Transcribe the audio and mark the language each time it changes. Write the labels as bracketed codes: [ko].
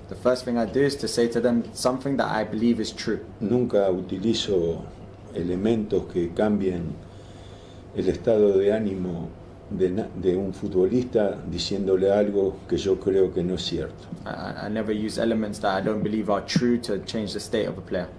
[en] The first thing I do is to say to them something that I believe is true. [es] Nunca utilizo elementos que cambien el estado de ánimo de un futbolista diciéndole algo que yo creo que no es cierto. [en] I never use elements that I don't believe are true to change the state of a player.